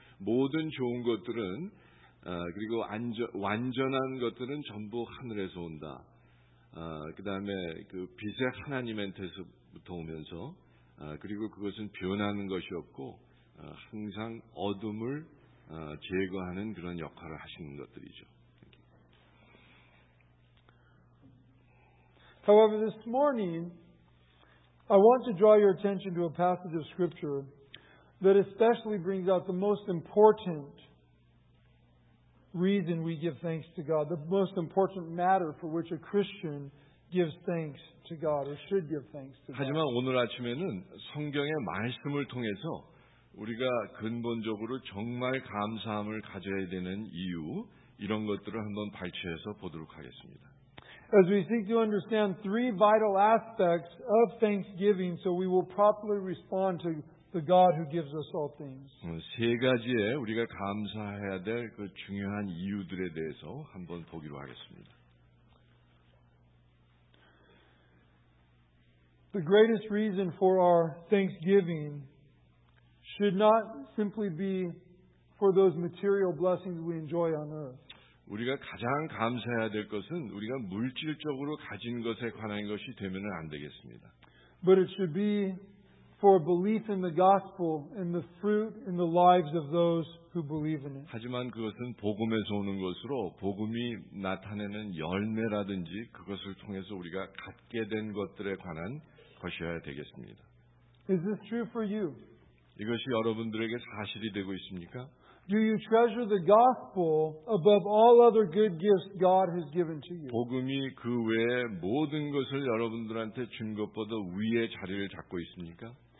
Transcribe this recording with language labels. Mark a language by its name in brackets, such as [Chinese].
[Korean] 모든 좋은 것들은 그리고 완전한 것들은 전부 하늘에서 온다. 그다음에 그 빛의 하나님한테서부터 오면서 그리고 그것은 변하는 것이 없고 항상 어둠을 제거하는 그런 역할을 하시는 것들이죠. [English] However, this morning I want to draw your attention to a passage of scripture that especially brings out the most important reason we give thanks to God, the most important matter for which a Christian gives thanks to God or should give thanks to God. [Korean] 하지만 오늘 아침에는 성경의 말씀을 통해서 우리가 근본적으로 정말 감사함을 가져야 되는 이유, 이런 것들을 한번 발췌해서 보도록 하겠습니다. [English] As we seek to understand three vital aspects of thanksgiving, so we will properly respond to the God who gives us all things. [Korean] 세 가지의 우리가 감사해야 될 그 중요한 이유들에 대해서 한번 보기로 하겠습니다. [English] The greatest reason for our thanksgiving should not simply be for those material blessings we enjoy on earth. [Korean] 우리가 가장 감사해야 될 것은 우리가 물질적으로 가진 것에 관한 것이 되면은 안 되겠습니다. [English] But it should be for belief in the gospel and the fruit in the lives of those who believe in it. [Korean] 하지만 그것은 복음에서 오는 것으로 복음이 나타내는 열매라든지 그것을 통해서 우리가 갖게 된 것들에 관한 것이어야 되겠습니다. [English] Is this true for you? [Korean] 이것이 여러분들에게 사실이 되고 있습니까? [English] Do you treasure the gospel above all other good gifts God has given to you? [Korean] 복음이 그 외에 모든 것을 여러분들한테 준 것보다 위에 자리를 잡고 있습니까?